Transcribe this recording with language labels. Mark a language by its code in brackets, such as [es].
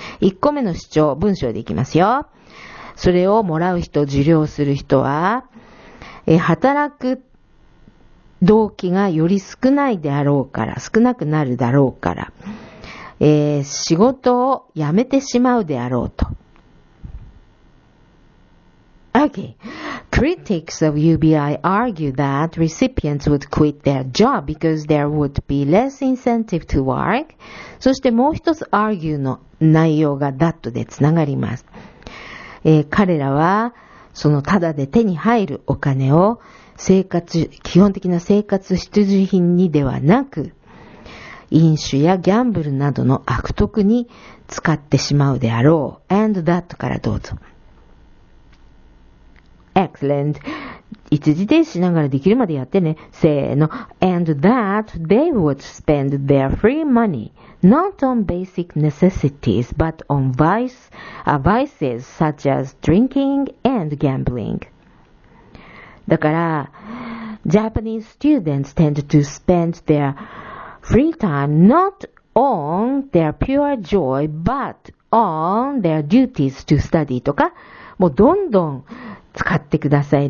[ja] 1個目の主張、文章でいきますよ。それをもらう人、受領する人は、働く動機がより少ないであろうから、少なくなるだろうから、仕事を辞めてしまうであろうと。 [en] Okay. Critics of UBI argue that recipients would quit their job because there would be less incentive to work. [ja] そしてもう一つ argue の内容が that でつながります。彼らは、そのタダで手に入るお金を、基本的な生活必需品にではなく、飲酒やギャンブルなどの悪徳に使ってしまうであろう。 [en] And that [ja] からどうぞ。 [en] Excellent. [ja] 一時停止しながらできるまでやってね。せーの。 [en] And that they would spend their free money. Not on basic necessities, but on vices such as drinking and gambling. [ja] だから、 [en] Japanese students tend to spend their free time not on their pure joy, but on their duties to study [ja] とか、もうどんどん使ってください。